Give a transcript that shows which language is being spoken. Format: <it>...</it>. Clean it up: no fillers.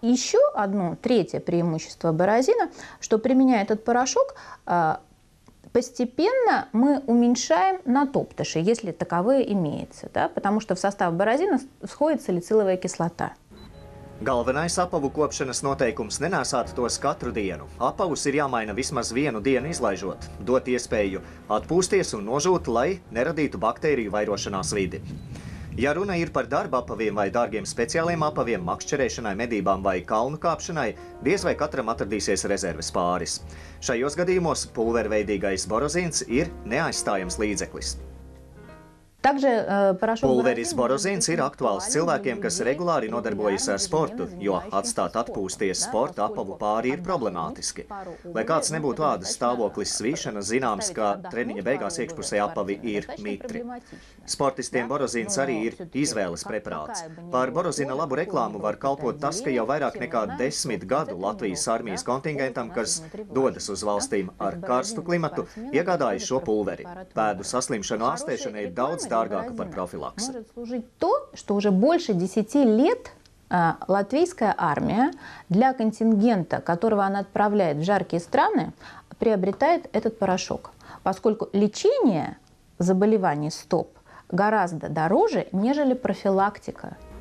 <ru>Еще одно, третье преимущество борозина, что применяя этот порошок, постепенно мы уменьшаем натоптыши, если таковые имеются, да? Потому что в состав борозина входит салициловая кислота.</ru> <lv>Galvenais apavu kopšanas noteikums nenēsāt tos katru dienu. Apavus ir jāmaina vismaz vienu dienu izlaižot, dot iespēju atpūsties un nožūt, lai neradītu baktēriju vairošanās vidi. Ja runa ir par darba apaviem vai dārgiem speciāliem apaviem, makšķerēšanai, medībām vai kalnu kāpšanai, diez vai katram atradīsies rezerves pāris. Šajos gadījumos pulverveidīgais borozins ir neaizstājams līdzeklis. Pulveris Borozins ir aktuāls cilvēkiem, kas regulāri nodarbojas ar sportu, jo atstāt atpūsties sporta apavu pāri ir problemātiski. Lai kāds nebūtu ādas stāvoklis svīšana, zināms, ka treniņa beigās iekšpusē apavi ir mitri. Sportistiem Borozins arī ir izvēles preparāts. Par Borozina labu reklāmu var kalpot tas, ka jau vairāk nekā 10 gadu Latvijas armijas kontingentam, kas dodas uz valstīm ar karstu klimatu, iegādāja šo pulveri. Pēdu saslimšanu ārstēšana ir daudz dārgāka par profilaksu.</lv> <ru>To, što уже больше 10 лет латвийская армия для контингента, которого она отправляет в жаркие страны, приобретает этот порошок, поскольку лечение заболеваний стоп гораздо дороже, нежели профилактика.</ru>